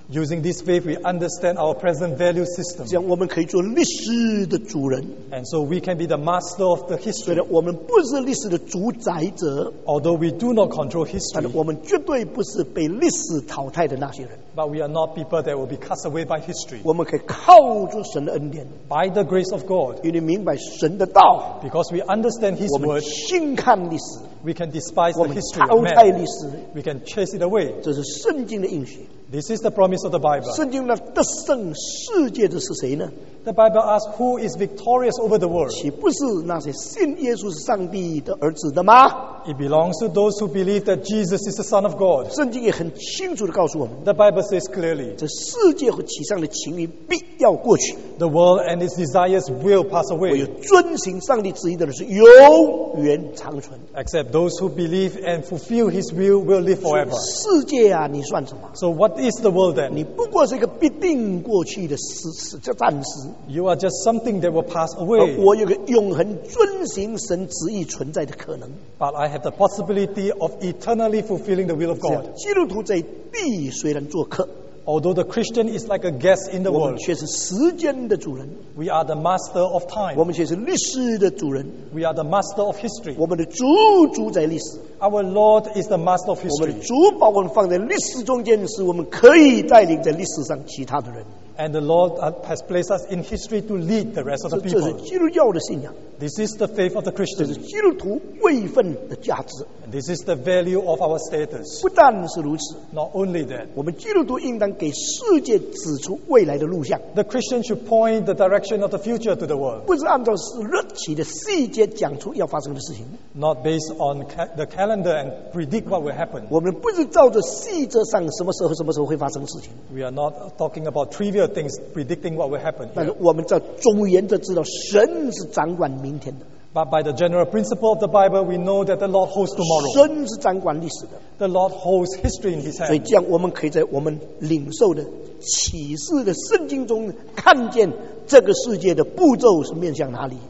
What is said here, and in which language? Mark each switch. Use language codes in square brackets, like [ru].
[en] Using this faith, we understand our present value system. [zh] 这样我们可以做历史的主人。 [en] And so we can be the master of the history. [zh] 虽然我们不是历史的主宰者。 [en] Although we do not control history, [zh] 但我们绝对不是被历史淘汰的那些人。 [en] But we are not people that will be cast away by history. [zh] 我们可以靠住神的恩典。 [en] By the grace of God, [zh] 因为明白神的道。 [en] Because we understand His word, [zh] 我们轻看历史。 [en] We can despise the history of man. We can chase it away. [zh] 这是圣经的应许。 [en] This is the promise of the Bible. [zh] 圣经呢，得胜世界的是谁呢？ [en] The Bible asks, who is victorious over the world? [zh] 岂不是那些信耶稣是上帝的儿子的吗？ [en] It belongs to those who believe that Jesus is the Son of God. [zh] 圣经也很清楚地告诉我们。 [en] The Bible says clearly, [zh] 这世界和其上的情欲必要过去。 [en] The world and its desires will pass away. [zh] 唯有遵行上帝旨意的人是永远长存。 [en] Except those who believe and fulfill His will live forever. [zh] 世界啊，你算什么？ [en] So what is the world then? [zh] 你不过是一个必定过去的时叫暂时。 [en] You are just something that will pass away. [zh] 我有个永恒遵行神旨意存在的可能。 [en] But I have the possibility of eternally fulfilling the will of God. [zh] 基督徒在地虽然做客。 [en] Although the Christian is like a guest in the world, [zh] 我们却是时间的主人。 [en] We are the master of time. [zh] 我们却是历史的主人。 [en] We are the master of history. [zh] 我们的主主宰历史。 [en] Our Lord is the master of history. [zh] 我们的主把我们放在历史中间，使我们可以带领在历史上其他的人。 [en] And the Lord has placed us in history to lead the rest of the people. [zh] 这是基督教的信仰。 [en] This is the faith of the Christian. [zh] 这是基督徒位分的价值。 [en] And this is the value of our status. [zh] 不但是如此。 [en] Not only that. [zh] 我们基督徒应当给世界指出未来的路向。 [en] The Christian should point the direction of the future to the world. [zh] 不是按照日期的细节讲出要发生的事情。 [en] Not based on the calendar and predict what will happen. [zh] 我们不是照着细则上什么时候什么时候会发生事情。 [en] We are not talking about trivial things predicting what will happen. [zh] 但是我们在总原则知道神是掌管明天的。 [en] But by the general principle of the Bible, we know that the Lord holds tomorrow. [zh] 神是掌管历史的。 [en] The Lord holds history in His hand. [zh] 所以这样我们可以在我们领受的启示的圣经中看见这个世界的步骤是面向哪里。